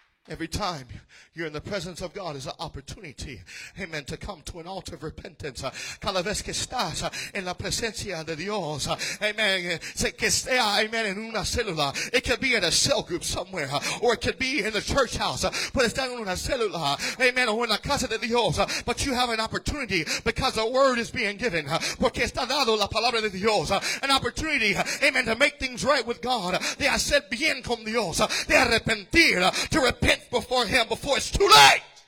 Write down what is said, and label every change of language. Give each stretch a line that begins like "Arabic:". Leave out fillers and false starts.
English: Every time you're in the presence of God is an opportunity, amen, to come to an altar of repentance.
Spanish: Cada vez que estás en la presencia de Dios, amen, que sea, amen, en una célula.
English: It could be in a cell group somewhere, or it could be in the church house.
Spanish: Puede estar en una célula, amen, o en la casa de Dios.
English: But you have an opportunity because the word is being given.
Spanish: Porque está dado la palabra de Dios.
English: An opportunity, amen, to make things right with God.
Spanish: De hacer bien con Dios. De arrepentir,
English: to repent before Him, before it's too late.